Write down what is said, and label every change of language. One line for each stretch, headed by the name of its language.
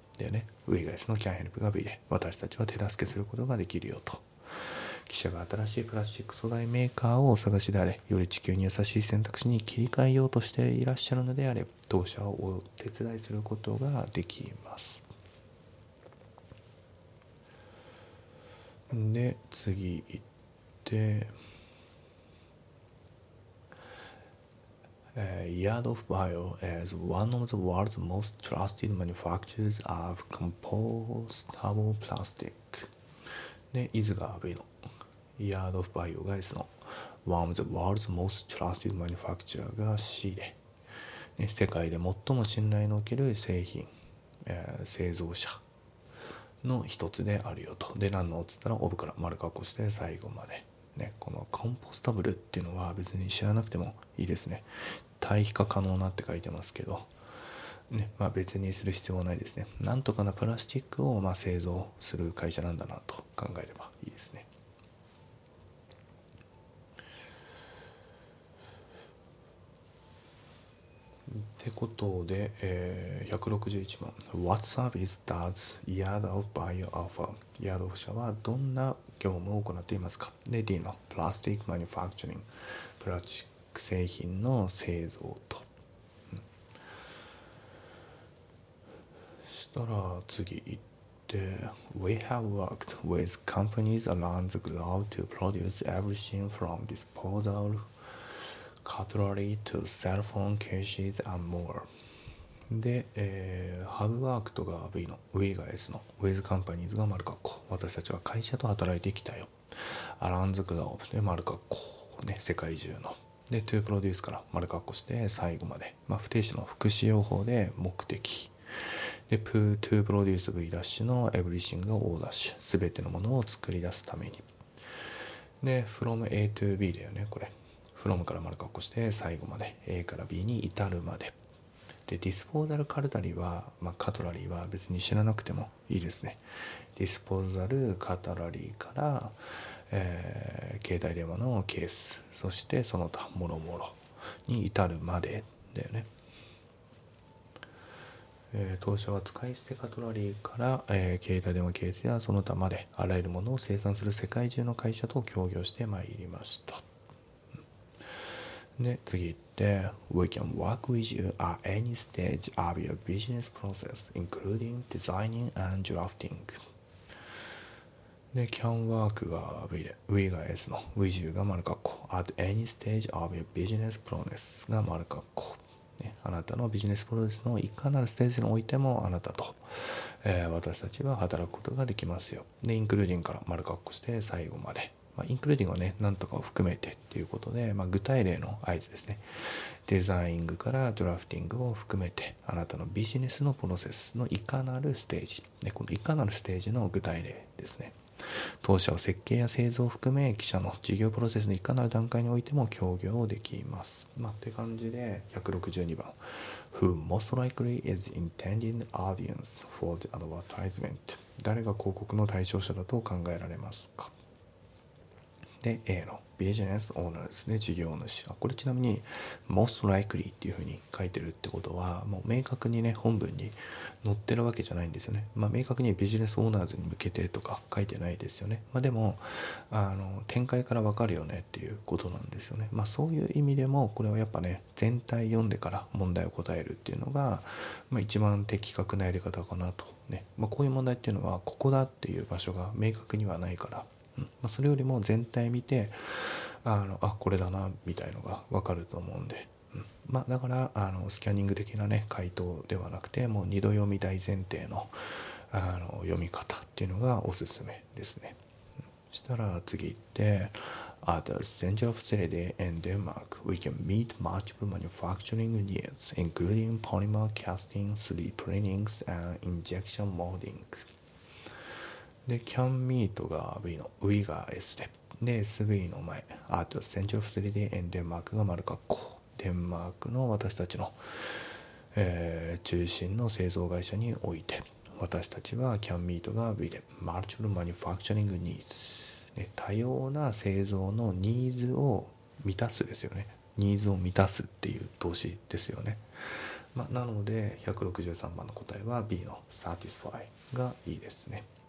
Japanese: でね、ウィガイスの
English: can help
Japanese: が B で、私たちは手助けすることができるよと。記者が新しいプラスチック素材メーカーをお探しであれ、より地球に優しい選択肢に切り替えようとしていらっしゃるのであれ、当社をお手伝いすることができます。で、次行って、
English: Yard of Bio is one of the world's most trusted manufacturers of compostable plastic
Japanese: で、is が V の、yard of bio が S の、
English: one of the world's most trusted manufacturer
Japanese: が C で、ね、世界で最も信頼のおける製品、製造者の一つであるよと。で、何のっつったら、オブから丸括弧して最後まで、ね。このコンポスタブルっていうのは別に知らなくてもいいですね。堆肥化可能なって書いてますけど、ね、まあ、別にする必要はないですね。なんとかなプラスチックをまあ製造する会社なんだなと考えればいいですね。ってことで、161番
English: What service does Yadav buy offer?
Japanese: Yadav 社はどんな業務を行っていますか。
English: で、 D の Plastic Manufacturing、
Japanese: プラスチック製品の製造と、うん、したら次行って
English: We have worked with companies around the globe to produce everything from disposableCutlery to cell phone cases and more.
Japanese: で、Have worked が V の、W が S の、
English: With companies
Japanese: が丸括弧。私たちは会社と働いてきたよ。
English: Around the globe
Japanese: で丸括弧ね、世界中の。で、
English: To produce
Japanese: から丸括弧して最後まで。まあ、不定詞の副詞用法で目的。で、
English: To produce
Japanese: V ダッシュの Everything を O ダッシュ。すべてのものを作り出すために。で、
English: From A to B
Japanese: だよね、これ。 from から丸括弧して最後まで A から B に至るまで。で、ディスポーザルカルタリーは、まあ、カトラリーは別に知らなくてもいいですね。ディスポーザルカトラリーから、携帯電話のケース、そしてその他もろもろに至るまでだよね。当初は使い捨てカトラリーから、携帯電話ケースやその他まであらゆるものを生産する世界中の会社と協業してまいりました。
English: で、次行って We can work with you at any stage of your business process including designing and drafting.
Japanese: で、can work が V で、 We が S の、 with you が丸括弧、
English: at any stage of your business process
Japanese: が丸括弧、ね、あなたのビジネスプロセスのいかなるステージにおいてもあなたと、私たちは働くことができますよ。で、 including から丸括弧して最後まで、まあ、インクルーディングはね、なんとかを含めてっていうことで、まあ、具体例の合図ですね。デザイングからドラフティングを含めて、あなたのビジネスのプロセスのいかなるステージ、ね、このいかなるステージの具体例ですね。当社は設計や製造を含め、記者の事業プロセスのいかなる段階においても協業をできます。まあ、って感じで、162番。
English: Who most likely is intending audience for the advertisement?
Japanese: 誰が広告の対象者だと考えられますか。で、 A のビジネスオーナーですね、事業主。あ、これちなみに
English: most likely
Japanese: っていう風に書いてるってことは、もう明確にね、本文に載ってるわけじゃないんですよね。まあ、明確にビジネスオーナーズに向けてとか書いてないですよね。まあ、でも展開から分かるよねっていうことなんですよね。まあ、そういう意味でもこれはやっぱね、全体読んでから問題を答えるっていうのが、まあ、一番的確なやり方かなとね。まあ、こういう問題っていうのはここだっていう場所が明確にはないから、まあ、それよりも全体見て、あ、これだなみたいのが分かると思うんで、うん、まあ、だからスキャニング的なね、回答ではなくて、もう二度読み大前提の、読み方っていうのがおすすめですね。
English: そしたら次行って At the central facility in Denmark we can meet multiple manufacturing needs including polymer casting, 3D printing and injection moldingで、can meet が V の、V が S で、で、SV の前、あと、central facility in Denmark
Japanese: が丸括弧。デンマークの私たちの、中心の製造会社において、私たちは
English: can meet
Japanese: が V で、
English: multiple manufacturing needs。
Japanese: で、多様な製造のニーズを満たすですよね。ニーズを満たすっていう動詞ですよね。ま、なので、163番の答えは B の satisfy がいいですね。